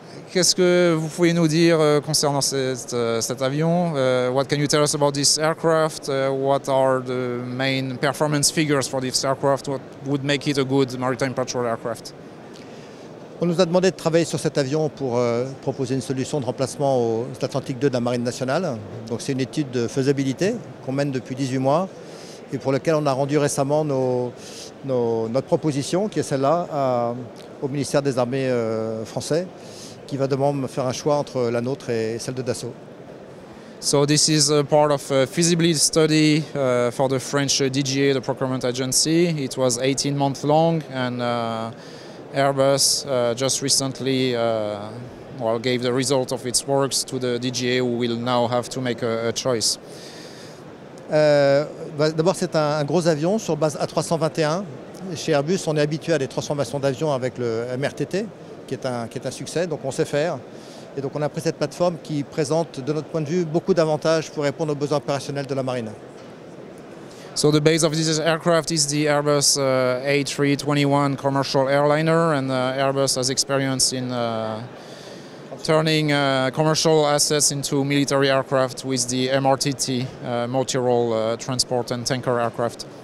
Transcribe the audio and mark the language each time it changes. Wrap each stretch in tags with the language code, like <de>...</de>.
<fr>Qu'est-ce que vous pouvez nous dire concernant cet avion?</fr> <en>What can you tell us about this aircraft? What are the main performance figures for this aircraft? What would make it a good maritime patrol aircraft?</en> <fr>On nous a demandé de travailler sur cet avion pour proposer une solution de remplacement au Atlantique 2 de la Marine Nationale. Donc c'est une étude de faisabilité qu'on mène depuis 18 mois et pour laquelle on a rendu récemment notre proposition, qui est celle-là, au ministère des Armées français, qui va demander faire un choix entre la nôtre et celle de Dassault.</fr> <en>So this is a part of a feasibility study for the French DGA, the procurement agency. It was 18 months long, and Airbus just recently gave the result of its works to the DGA, who will now have to make a choice.</en> <fr>D'abord, c'est un gros avion sur base A321. Chez Airbus, on est habitué à des transformations d'avions avec le MRTT, qui est un succès, donc on sait faire. Et donc on a pris cette plateforme qui présente, de notre point de vue, beaucoup d'avantages pour répondre aux besoins opérationnels de la marine.</fr> <en>So the base of this aircraft is the Airbus A321 commercial airliner, and Airbus has experience in turning commercial assets into military aircraft with the MRTT, multi-role transport and tanker aircraft.</en>